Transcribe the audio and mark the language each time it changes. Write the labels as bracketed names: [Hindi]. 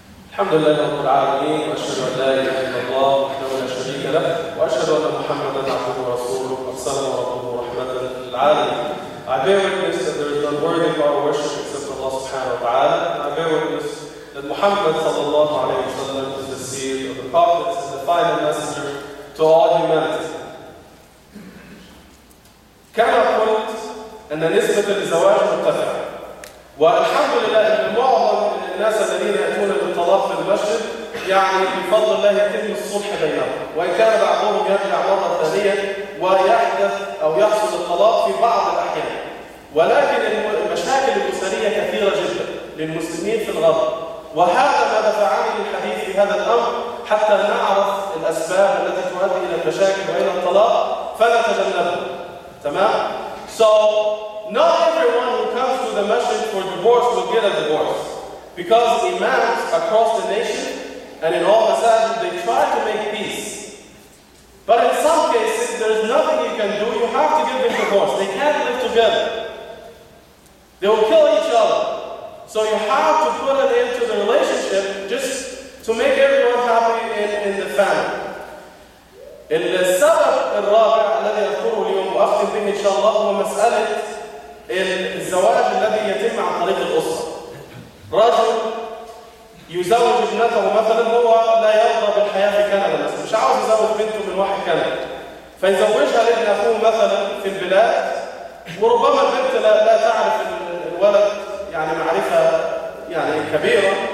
[Arabic] الحمد لله رب العالمين واشهد ان لا اله الا الله وحده لا شريك له واشهد ان محمدا عبده ورسوله ارسله ربه رحمه للعالمين. [English] I bear witness that there is none worthy of our worship except Allah subhanahu wa ta'ala. I bear witness that Muhammad sallallahu alayhi wa sallam is the seal of the prophets and the final messenger to all humanity. [Arabic] كما قلت ان نسبه الزواج مرتفعه والحمد لله المعظم الناس الذين يأتون بالطلاق في المسجد يعني بفضل الله يتم الصلح بينهم، وإن كان بعضهم يرجع مرة ثانية ويحدث أو يحصل الطلاق في بعض الأحيان، ولكن المشاكل الأسرية كثيرة جدا للمسلمين في الغرب، وهذا ما دفعني للحديث في هذا الأمر حتى نعرف الأسباب التي تؤدي إلى المشاكل وإلى الطلاق فنتجنبها. تمام؟ [English] So not everyone who comes to the masjid for divorce will get a divorce. Because imams across the nation and in all masajid, they try to make peace. But in some cases, there is nothing you can do. You have to give them divorce. They can't live together. They will kill each other. So you have to put an end to the relationship just to make everyone happy in the family. [Arabic] السبب الرابع الذي أذكره اليوم وأختم به إن شاء الله هو مسألة الزواج الذي يتم عن طريق الأسرة. رجل يزوج ابنته مثلا هو لا يرضى بالحياة في كندا مثلا مش عاوز يزوج بنته من واحد كندا فيزوجها لابن أخوه مثلا في البلاد وربما البنت لا تعرف الولد يعني معرفة يعني كبيرة